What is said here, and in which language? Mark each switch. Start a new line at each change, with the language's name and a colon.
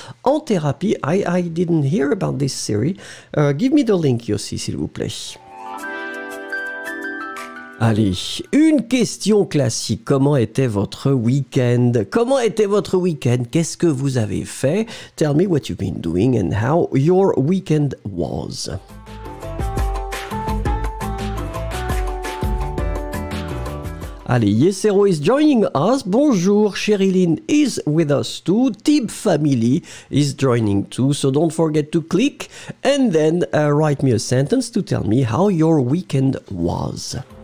English: En Thérapie, I didn't hear about this series. Give me the link, Yossi,
French: s'il vous plaît. Allez, une question classique. Comment était votre week-end? Comment était votre week-end? Qu'est-ce que vous avez fait?
English: Tell me what you've been doing and how your weekend was. « Allez, Yesero is joining us. Bonjour, Sherilyn is with us too. Tib family is joining too. So don't forget to click and then write me a sentence to tell me how your weekend was.